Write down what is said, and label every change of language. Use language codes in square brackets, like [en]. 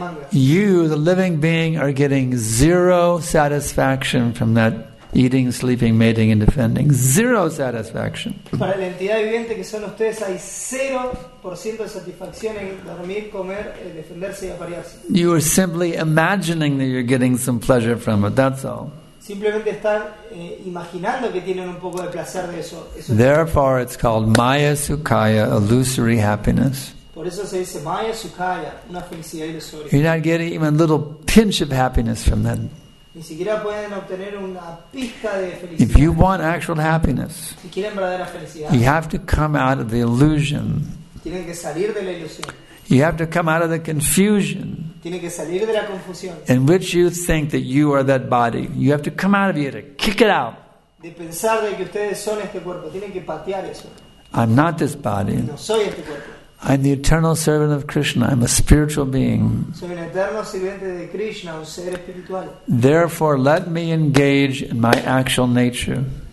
[en] You, the living being, are getting zero satisfaction from that eating, sleeping, mating, and defending. Zero satisfaction. [es] Para la entidad viviente que son ustedes, hay 0% de satisfacción en dormir, comer, defenderse y aparearse. [en] You are simply imagining that you're getting some pleasure from it, that's all. [es] Simplemente están imaginando que tienen un poco de placer de eso. [en] Therefore, it's called Maya Sukaya, illusory happiness. [es] Por eso se dice Maya Sukaya, una felicidad ilusoria. [en] You're not getting even a little pinch of happiness from that. [es] Ni siquiera pueden obtener una pizca de felicidad. [en] If you want actual happiness, [es] si quieren verdadera felicidad, [en] you have to come out of the illusion. [es] Tienen que salir de la ilusión. [en] You have to come out of the confusion. [es] Tiene que salir de la confusión. [en] In which you think that you are that body. You have to come out of it, kick it out. [es] De pensar de que ustedes son este cuerpo. Tienen que patear eso. [en] I'm not this body. [es] No soy este cuerpo. [en] I'm the eternal servant of Krishna. I'm a spiritual being. [es] Soy un eterno sirviente de Krishna, un ser espiritual. [en] Therefore, let me engage in my actual nature.